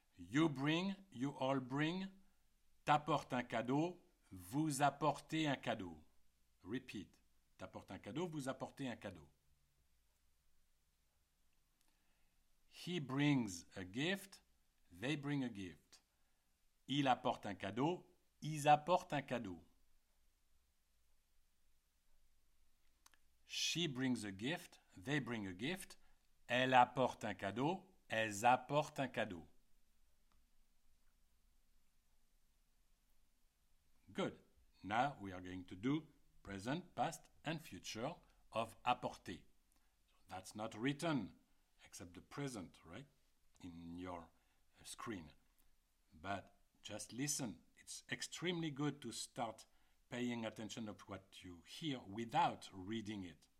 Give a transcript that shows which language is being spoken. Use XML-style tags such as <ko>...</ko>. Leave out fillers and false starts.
<en>You bring, you all bring,</en> <fr>t'apporte un cadeau, vous apportez un cadeau. Repeat, t'apporte un cadeau, vous apportez un cadeau.</fr> <en>He brings a gift, they bring a gift.</en> <fr>Il apporte un cadeau, ils apportent un cadeau.</fr> <en>She brings a gift, they bring a gift.</en> <fr>Elle apporte un cadeau, elles apportent un cadeau.</fr> <en>Good. Now we are going to do present, past, and future of apporter. That's not written, except the present, right, in your screen. But just listen. It's extremely good to start paying attention to what you hear without reading it.</en>